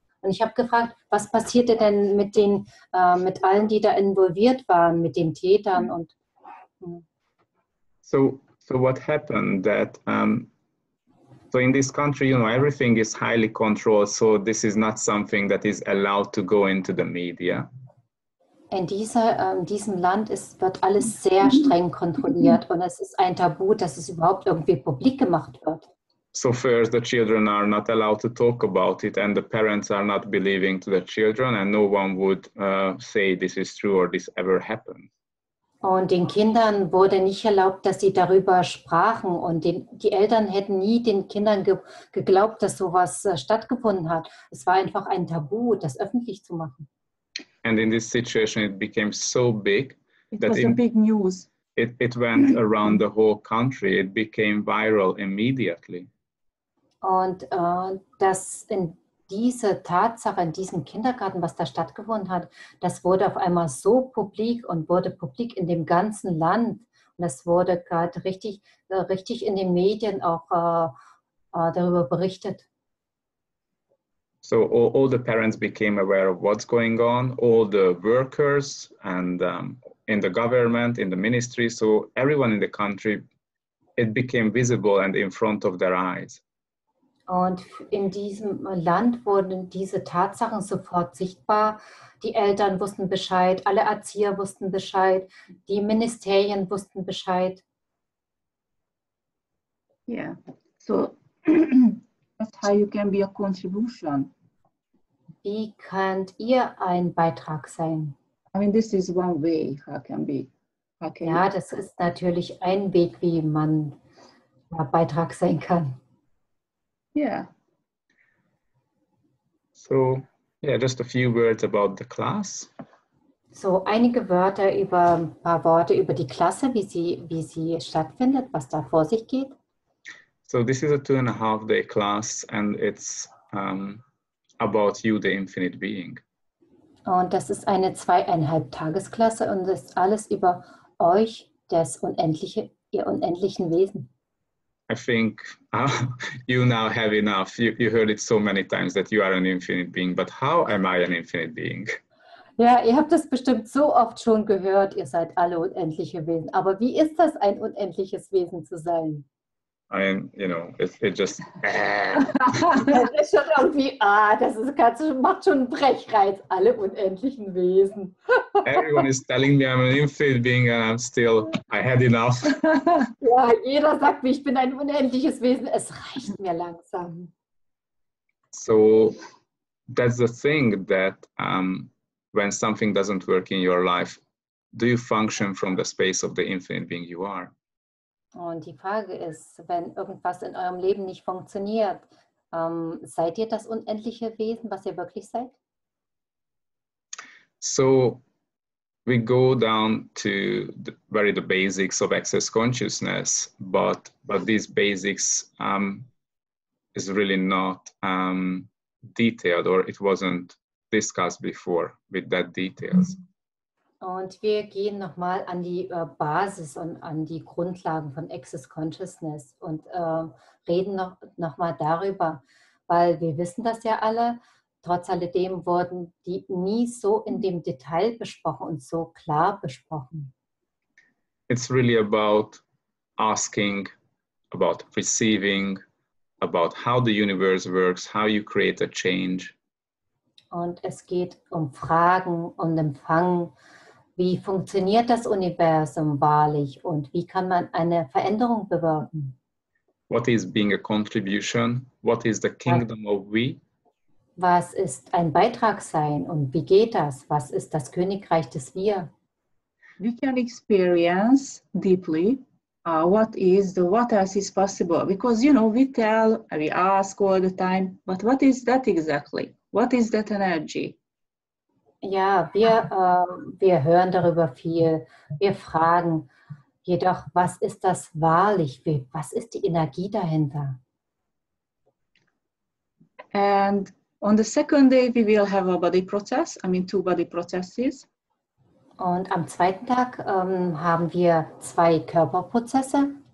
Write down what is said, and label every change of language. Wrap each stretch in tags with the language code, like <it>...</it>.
<de>Und ich habe gefragt, was passierte denn mit den mit allen, die da involviert waren, mit den Tätern und</de> <en>So what happened that so in this country, you know, everything is highly controlled, so this is not something that is allowed to go into the media.</en> <de>In diesem Land wird alles sehr streng kontrolliert und es ist ein Tabu, dass es überhaupt irgendwie publik gemacht wird.</de> <en>So first the children are not allowed to talk about it and the parents are not believing to the children and no one would say this is true or this ever happened.</en> <de>Und den Kindern wurde nicht erlaubt, dass sie darüber sprachen und die Eltern hätten nie den Kindern geglaubt, dass sowas stattgefunden hat. Es war einfach ein Tabu, das öffentlich zu machen.</de> <en>And in this situation it became so big. It was big news. It went around the whole country. It became viral immediately.</en> <de>Und dass in diese Tatsache, in diesem Kindergarten, was da stattgefunden hat, das wurde auf einmal so publik und wurde publik in dem ganzen Land. Und das wurde gerade richtig in den Medien auch darüber berichtet.</de> <en>So all the parents became aware of what's going on, all the workers and in the government, in the ministry, so everyone in the country, it became visible and in front of their eyes.</en> <de>Und in diesem Land wurden diese Tatsachen sofort sichtbar. Die Eltern wussten Bescheid, alle Erzieher wussten Bescheid, die Ministerien wussten Bescheid.</de> <en>Yeah, so that's how you can be a contribution.</en> <de>Wie könnt ihr ein Beitrag sein?</de> <en>I mean, this is one way how can be. How can</en> <de>ja, das ist natürlich ein Weg, wie man Beitrag sein kann.</de> <en>Yeah. So, yeah, just a few words about the class.</en> <de>So, einige Wörter über ein paar Worte über die Klasse, wie sie stattfindet, was da vor sich geht.</de> <en>So, this is a 2.5-day class and it's about you, the infinite being.</en> <de>Und das ist eine 2.5-Tagesklasse und ist alles über euch, das Unendliche, ihr unendlichen Wesen.</de> <en>I think you now have enough. You heard it so many times that you are an infinite being, but how am I an infinite being?</en> <de>Ja, ihr habt das bestimmt so oft schon gehört, ihr seid alle unendliche Wesen. Aber wie ist das, ein unendliches Wesen zu sein?</de> <en>I mean, you know, it just...</en> <de>Das ist schon irgendwie, macht schon einen Brechreiz, alle unendlichen Wesen.</de> <en>Everyone is telling me I'm an infinite being and I'm still, I had enough.</en> <de>Ja, jeder sagt mir, ich bin ein unendliches Wesen, es reicht mir langsam.</de> <en>So, that's the thing that when something doesn't work in your life, do you function from the space of the infinite being you are?</en> <de>Und die Frage ist, wenn irgendwas in eurem Leben nicht funktioniert, seid ihr das unendliche Wesen, was ihr wirklich seid?</de> <en>So, we go down to the basics of excess consciousness, but these basics is really not detailed or it wasn't discussed before with that details. Mm-hmm.</en> <de>Und wir gehen nochmal an die Basis und an die Grundlagen von Access Consciousness und reden nochmal darüber, weil wir wissen das ja alle. Trotz alledem wurden die nie so in dem Detail besprochen und so klar besprochen.</de> <en>It's really about asking, about receiving, about how the universe works, how you create a change.</en> <de>Und es geht um Fragen und Empfangen. Wie funktioniert das Universum wahrlich und wie kann man eine Veränderung bewirken?</de> <en>What is being a contribution? What is the kingdom of we?</en> <de>Was ist ein Beitrag sein und wie geht das? Was ist das Königreich des Wir?</de> <en>We can experience deeply what else is possible. Because, you know, we ask all the time, but what is that exactly? What is that energy?</en> <de>Ja, wir hören darüber viel. Wir fragen jedoch, was ist das wahrlich? Was ist die Energie dahinter?</de> <en>And on the second day we will have a body process, I mean two body processes.</en> <de>Und am zweiten Tag haben wir zwei Körperprozesse.</de>